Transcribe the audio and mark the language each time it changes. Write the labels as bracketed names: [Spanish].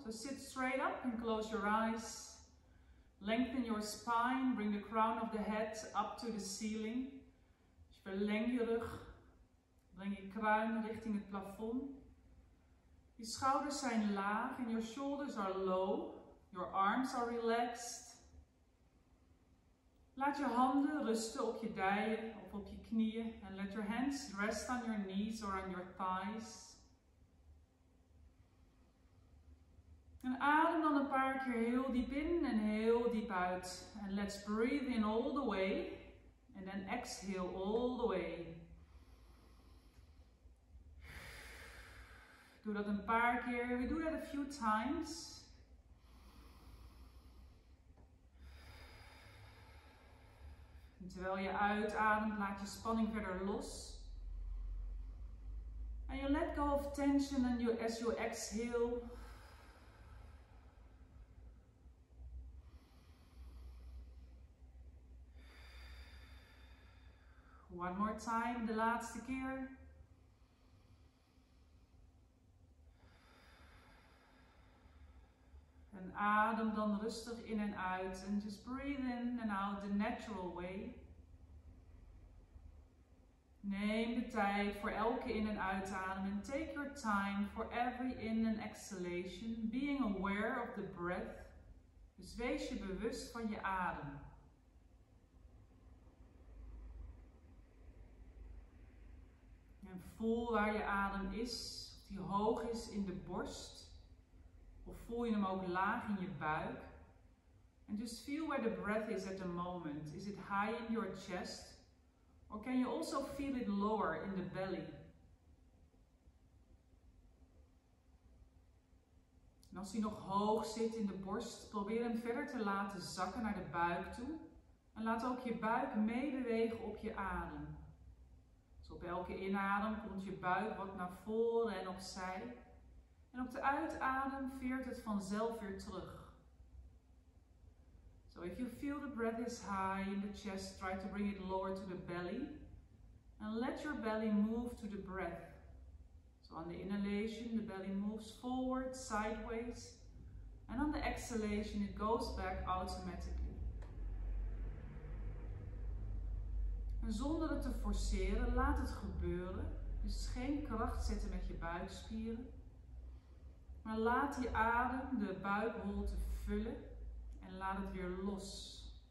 [English] So sit straight up and close your eyes. Lengthen your spine. Bring the crown of the head up to the ceiling. [Dutch] Dus verleng je rug. Breng je kruin richting het plafond. Je schouders zijn laag en [English] your shoulders are low. Your arms are relaxed. [Dutch] Laat je handen rusten op je dijen of op je knieën. [English] And let your hands rest on your knees or on your thighs. [Dutch] En adem dan een paar keer heel diep in en heel diep uit. [English] And let's breathe in all the way. And then exhale all the way. [Dutch] Doe dat een paar keer. [English] We do that a few times. [Dutch] En terwijl je uitademt, laat je spanning verder los. [English] And you let go of tension and you, as you exhale. One more time, [Dutch] de laatste keer. En adem dan rustig in en uit. [English] And just breathe in and out the natural way. [Dutch] Neem de tijd voor elke in- en uitadem. [English] And take your time for every in- and exhalation. Being aware of the breath. [Dutch] Dus wees je bewust van je adem. En voel waar je adem is, of die hoog is in de borst. Of voel je hem ook laag in je buik. [English] And just feel where the breath is at the moment. Is it high in your chest? Or can you also feel it lower in the belly? [Dutch] En als hij nog hoog zit in de borst, probeer hem verder te laten zakken naar de buik toe. En laat ook je buik meebewegen op je adem. Dus op elke inadem komt je buik wat naar voren en opzij. En op de uitadem veert het vanzelf weer terug. [English] So if you feel the breath is high in the chest, try to bring it lower to the belly. And let your belly move to the breath. So on the inhalation, the belly moves forward, sideways. And on the exhalation, it goes back automatically. [Dutch] En zonder het te forceren, laat het gebeuren. Dus geen kracht zetten met je buikspieren. Maar laat die adem de buikholte vullen en laat het weer los.